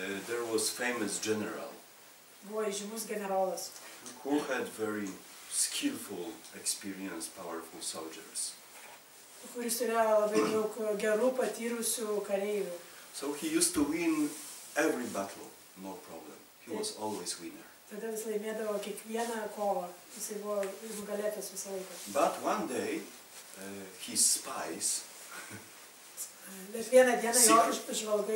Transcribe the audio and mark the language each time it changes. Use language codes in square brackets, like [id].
[en] there was famous general. [lt] Buvo įžymus generolas. [en] Who had very skillful, experienced, powerful soldiers. [lt] Kuris turėjo labai daug gerų, patyrusių kareivių. [en] So he used to win every battle, no problem. He was always winner. [lt] Tada jis laimėdavo kiekvieną kovą, jis buvo nugalėtas visą laiką. [en] But one day, his spies, [lt] bet vieną dieną jo žvalgai,